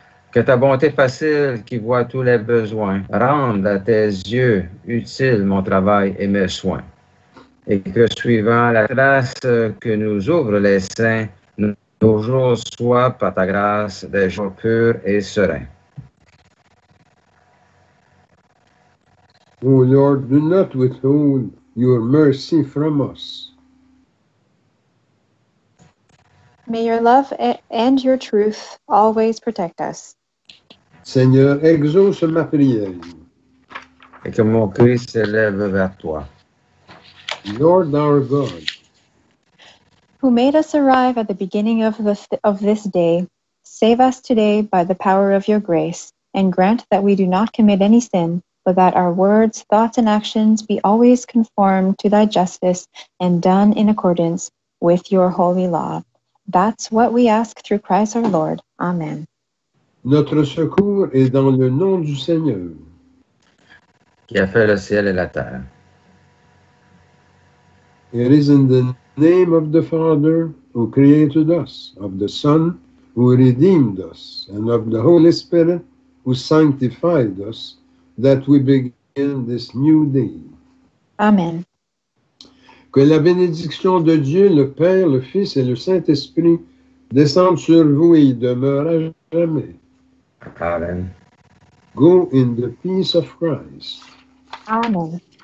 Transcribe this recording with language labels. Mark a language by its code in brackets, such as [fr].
[fr] Que ta bonté facile, qui voit tous les besoins, rende à tes yeux utile mon travail et mes soins. Et que suivant la trace que nous ouvrent les saints, nos jours soient par ta grâce des jours purs et sereins. [en] O Lord, do not withhold your mercy from us. May your love and your truth always protect us. [fr] Seigneur, exauce ma prière. Et que mon cri s'élève vers toi. [en] Lord our God, who made us arrive at the beginning of this day, save us today by the power of your grace, and grant that we do not commit any sin, but that our words, thoughts, and actions be always conformed to thy justice and done in accordance with your holy law. That's what we ask through Christ our Lord. Amen. [fr] Notre secours est dans le nom du Seigneur, qui a fait le ciel et la terre. [en] It is in the name of the Father, who created us, of the Son, who redeemed us, and of the Holy Spirit, who sanctified us, that we begin this new day. Amen. [fr] Que la bénédiction de Dieu, le Père, le Fils et le Saint-Esprit descendent sur vous et y demeurent à jamais. Amen. [en] Go in the peace of Christ. Amen.